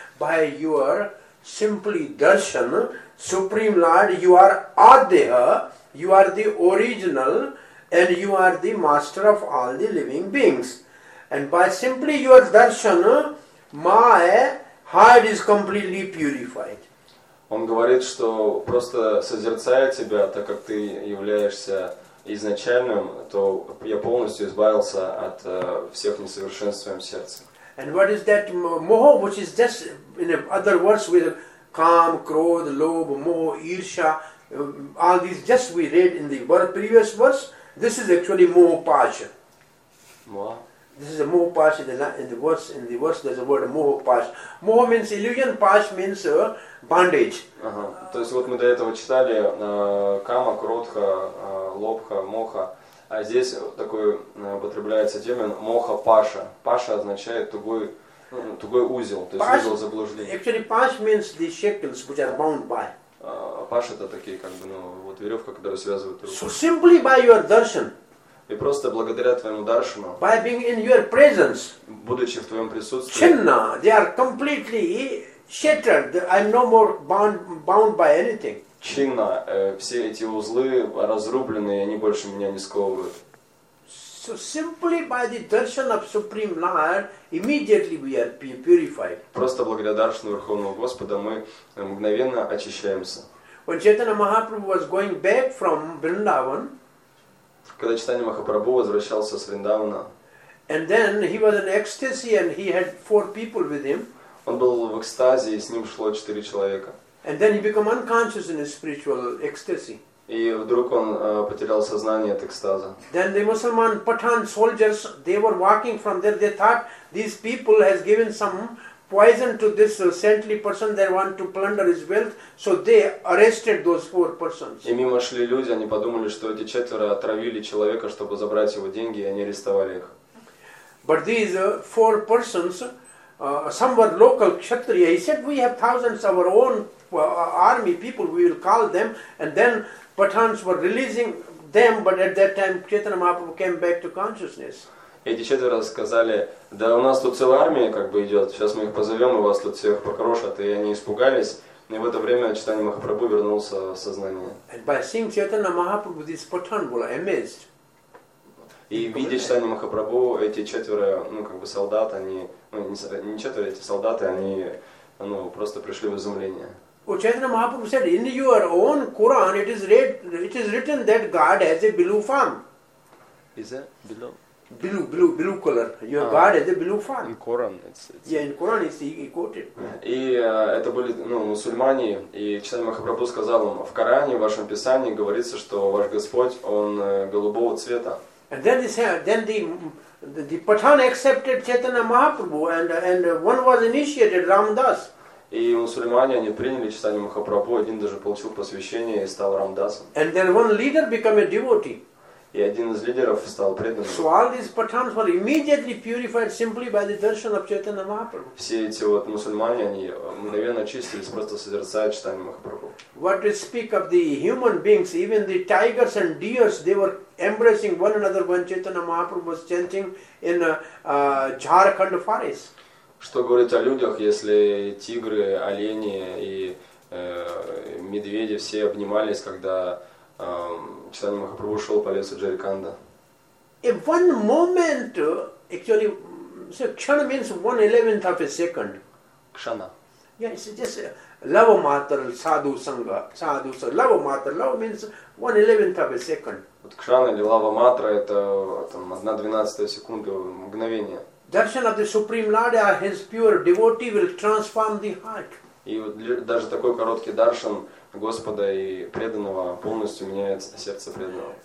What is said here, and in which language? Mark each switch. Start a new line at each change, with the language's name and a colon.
English: By your simply darshan, Supreme Lord, you are Adeha, you are the original, and you are the master of all the living beings. And by simply your darshan, my heart is completely purified.
Russian: Он говорит, что просто созерцая тебя, так как ты являешься изначальным, то я полностью избавился от всех несовершенств в своем сердце.
English: And what is that moha, which is just, in other words, with kaam, krodh, lobh, moha, irsha, all these just we read in the previous verse. This is actually moha pasha. Moha? This is a moha pasha in the verse there's a word moha pasha. Moha means illusion, pasha means bondage.
Russian: То есть вот мы до этого читали кама, кродха, лобха, моха. А здесь такой употребляется термин моха паша. Паша означает тугой узел, то есть узел заблуждений.
English: Actually, паша means the shackles which are bound by.
Russian: Паша это такие как бы вот веревка, которая связывает руку.
English: So simply by your darshan.
Russian: И просто благодаря твоему даршану.
English: By being in your presence.
Russian: Будучи в твоем присутствии.
English: Chinna, they are completely shattered. I'm no more bound by anything.
Russian: Чинна, все эти узлы разрублены, они больше меня не сковывают.
English: So simply by the darshan of Supreme Lord, immediately we are purified.
Russian: Просто благодаря даршану Верховного Господа мы мгновенно очищаемся.
English: When Chaitanya Mahaprabhu was going back from Vrindavan,
Russian: когда Чайтанья Махапрабху возвращался с Вриндавана,
English: and then he was in ecstasy and he had four people with him.
Russian: Он был в экстазе, и с ним шло четыре человека.
English: And then he became unconscious in his spiritual ecstasy.
Russian: И вдруг он потерял сознание от экстаза.
English: Then the Musliman Pathan soldiers, they were walking from there. They thought these people has given some poison to this saintly person. They want to plunder his wealth, so they arrested those four persons.
Russian: И мимо шли люди, они подумали, что эти четверо отравили человека, чтобы забрать его деньги, и они арестовали их.
English: But these four persons, some were local kshatriya. He said, "We have thousands of our own." Army people, we will call them, and then Pathans were releasing them, but at that time Chaitanya Mahaprabhu came back to consciousness.
Russian: Эти четверо сказали, да у нас тут целая армия как бы идет, сейчас мы их позовем, и вас тут всех покрошат, и они испугались, и в это время Чайтанья Махапрабху вернулся в сознание.
English: And by seeing Chaitanya Mahaprabhu, these Pathans were amazed.
Russian: И видя Чайтанья Махапрабху, эти четверо, солдат, они, не четверо, эти солдаты, они, просто пришли в изумление.
English: Chaitanya Mahaprabhu said, in your own Quran, it is written that God has a blue form. Is it blue? Blue color. Your God has a blue form. In Quran, it's... Yeah, in Quran, he quoted.
Russian: И это были мусульмане, и Чайтанья Махапрабху сказал им, в Коране, в вашем писании, говорится, что ваш Господь, он голубого цвета.
English: And then the Pathan accepted Chaitanya Mahaprabhu, and one was initiated, Ramdas.
Russian: И мусульмане, они приняли Чайтанья Махапрабху, один даже получил посвящение и стал Рамдасом.
English: And then one leader became a devotee.
Russian: И один из лидеров стал преданным.
English: So all these Pathans were immediately purified simply by the darshan of Chaitanya Mahaprabhu.
Russian: Все эти вот мусульмане, они мгновенно очистились, просто созерцая Чайтанья Махапрабху.
English: What to speak of the human beings, even the tigers and deers, they were embracing one another when Chaitanya Mahaprabhu was chanting in Jharkhand forest.
Russian: Что говорит о людях, если тигры, олени и медведи все обнимались, когда Чайтанья Махапрабху шел по лесу Джариканда?
English: In one moment, actually, so kshana means 1/11 of a second. Kshana. Yeah, it's just lava matra, sadhu sangha, sadhu sangha. Lava matra, lava means 1/11 of a second.
Russian: Вот кшана или лава матра это 1/12 секунды, мгновение.
English: Darshan of the Supreme Lord, his pure devotee will transform the heart.
Russian: И вот даже такой короткий даршан Господа и преданного полностью меняет сердце преданного.